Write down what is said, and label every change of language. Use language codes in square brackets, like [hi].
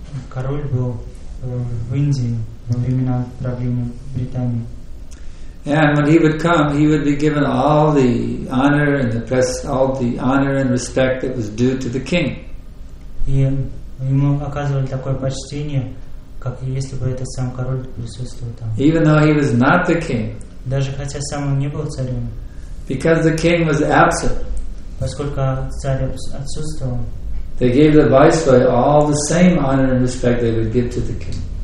[ru] Король был в Индии во времена правления Британии. [en] And when he would come, he would be given all the honor and the press, all the honor and respect that was due to the king. [ru] И ему оказывали такое почтение, как если бы этот сам король присутствовал там. [en] Even though he was not the king. [ru] Даже хотя сам он не был царем. [en] Because the king was absent. [ru] Поскольку царь отсутствовал. [en] They gave the viceroy all the same honor and respect they would give to the king.